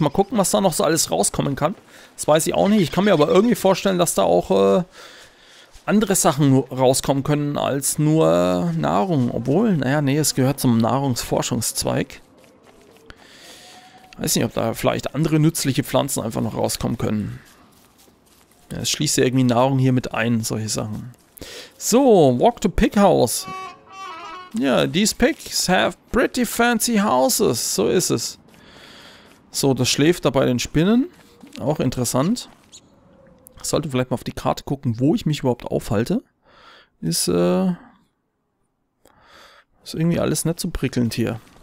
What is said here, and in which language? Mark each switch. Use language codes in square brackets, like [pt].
[de] Mal gucken, was da noch so alles rauskommen kann. Das weiß ich auch nicht. Ich kann mir aber irgendwie vorstellen, dass da auch andere Sachen rauskommen können als nur Nahrung. Obwohl, naja, nee, es gehört zum Nahrungsforschungszweig. Weiß nicht, ob da vielleicht andere nützliche Pflanzen einfach noch rauskommen können. Ja, es schließt ja irgendwie Nahrung hier mit ein, solche Sachen. So, [en] Walk to Pig House. Ja, these pigs have pretty fancy houses. [de] So ist es. So, das schläft da bei den Spinnen. Auch interessant. Ich sollte vielleicht mal auf die Karte gucken, wo ich mich überhaupt aufhalte. Ist irgendwie alles nicht so prickelnd hier.